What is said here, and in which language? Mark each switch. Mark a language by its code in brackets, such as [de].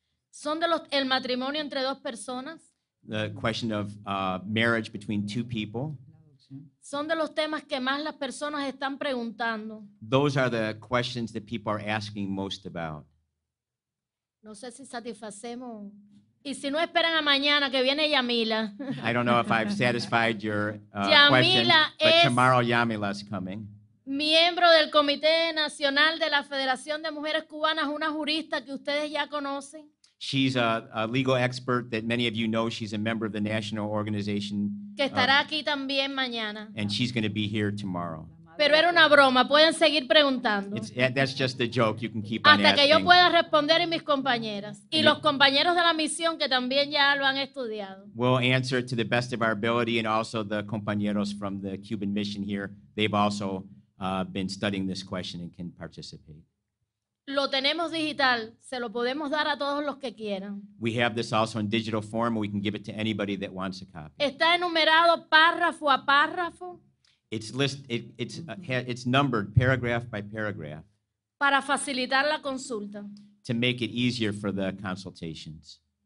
[es] Son de los, el matrimonio entre dos personas. [en] The question of marriage between two people. [es] Son de los temas que más las personas están preguntando. [en] Those are the questions that people are asking most about. [es] No sé si satisfacemos. Y si no esperan a mañana, que viene Yamila. [en] I don't know if I've satisfied your question, but tomorrow Yamila is coming. [es] Miembro del Comité Nacional de la Federación de Mujeres Cubanas, una jurista que ustedes ya conocen. [en] She's a legal expert that many of you know. She's a member of the national organization. [es] Que estará aquí también mañana. [en] And she's going to be here tomorrow. [es] Pero era una broma. Pueden seguir preguntando. [en] That's just a joke. You can keep [es] hasta [en] on asking. [es] Que yo pueda responder y mis compañeras. Y los compañeros de la misión que también ya lo han estudiado. [en] We'll answer to the best of our ability and also the compañeros from the Cuban mission here. They've also been studying this question and can participate. [es] Lo tenemos digital. Se lo podemos dar a todos los que quieran. [en] We have this also in digital form. We can give it to anybody that wants a copy. [es] Está enumerado párrafo a párrafo. [en] It's numbered paragraph by paragraph. [es] Para facilitar la consulta. [en] To make it easier for the consultations.